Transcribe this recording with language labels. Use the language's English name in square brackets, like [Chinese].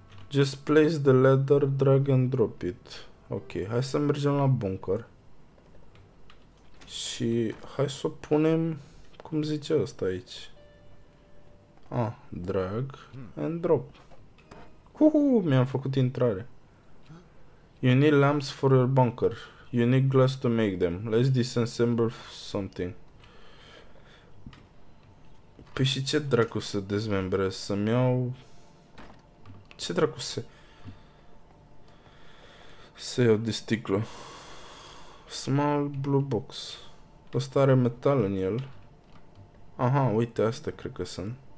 [English] Just place the ladder, drag and drop it. [Romanian] Ok, hai să mergem la bunker. Și hai să o punem, cum zice ăsta aici. Ah, drag and drop. Uhuhu, mi-am făcut intrare. [English] You need lamps for your bunker. You need glass to make them. Let's disassemble something. [Romanian] Păi și ce dracu să dezmembre? Să-mi iau... Ce dracu să... Să iau de sticlă. [English] Small blue box. [Romanian] Ăsta are metal în el. Aha, uite, astea cred că sunt.